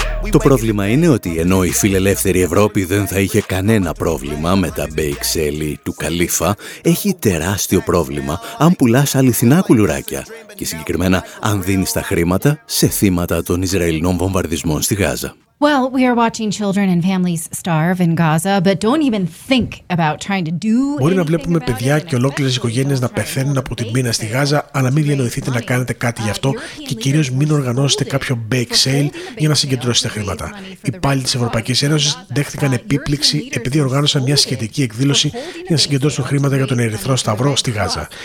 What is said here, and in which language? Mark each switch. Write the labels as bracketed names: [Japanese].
[Greek] Το πρόβλημα είναι ότι ενώ η φιλελεύθερη Ευρώπη δεν θα είχε κανένα πρόβλημα με τα Bake Sale του Καλίφα, έχει τεράστιο πρόβλημα αν πουλάς αληθινά κουλουράκια και συγκεκριμένα αν δίνεις τα χρήματα σε θύματα των Ισραηλινών βομβαρδισμών στη Γάζα. [English] Well, we are watching children and families starve in Gaza, but don't even think about trying to do. [Greek] Μπορεί να βλέπουμε παιδιά και ολόκληρες οικογένειες να πεθαίνουν από την πείνα στη Γάζα, αλλά μην διανοηθείτε να κάνετε κάτι γι' αυτό και κυρίως μην οργανώσετε κάποιο bake sale για να συγκεντρώσετε χρήματα. Οι υπάλληλοι της Ευρωπαϊκής Ένωσης δέχτηκαν επίπληξη επειδή οργάνωσαν μια σχετική εκδήλωση για να συγκεντρώσουν χρήματα για τον Ερυθρό Σταυρό στη Γάζα.